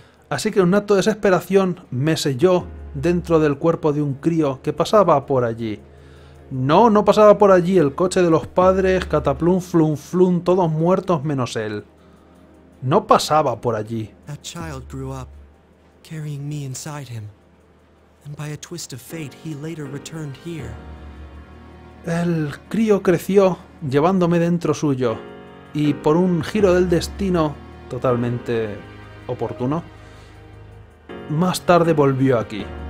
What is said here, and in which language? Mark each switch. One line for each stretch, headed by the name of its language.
Spanish: Así que en un acto de desesperación me selló dentro del cuerpo de un crío que pasaba por allí. No, no pasaba por allí, el coche de los padres, cataplum, flum, flum, todos muertos menos él. No pasaba por allí.
English: That child grew up, carrying me inside him. And by a twist of fate, he later returned here.
Spanish: El crío creció llevándome dentro suyo, y por un giro del destino totalmente oportuno, más tarde volvió aquí.